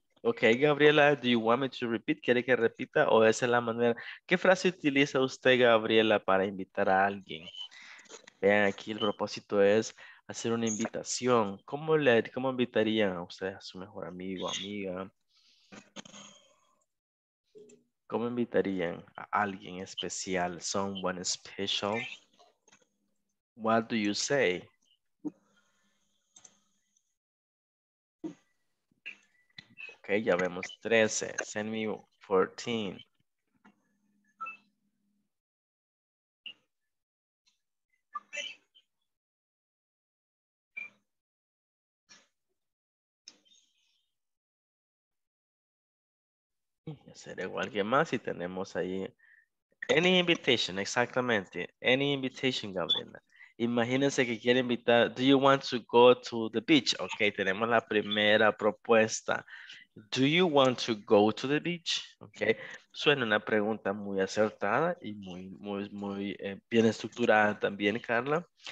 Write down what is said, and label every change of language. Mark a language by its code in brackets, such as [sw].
[en] Ok, Gabriela, do you want me to repeat? [es] ¿Quiere que repita o esa es la manera? ¿Qué frase utiliza usted, Gabriela, para invitar a alguien? Vean, aquí el propósito es hacer una invitación. ¿Cómo invitarían a ustedes a su mejor amigo, amiga? ¿Cómo invitarían a alguien especial? [en] Someone special. What do you say? [es] Okay, ya vemos 13. [en] Send me 14. [es] Hacer igual que más y tenemos ahí any invitation, exactamente any invitation, Gabriela. Imagínense que quiere invitar, [en] do you want to go to the beach? [es] Ok, tenemos la primera propuesta. [en] Do you want to go to the beach? [es] Ok, suena una pregunta muy acertada y muy bien estructurada también, Carla.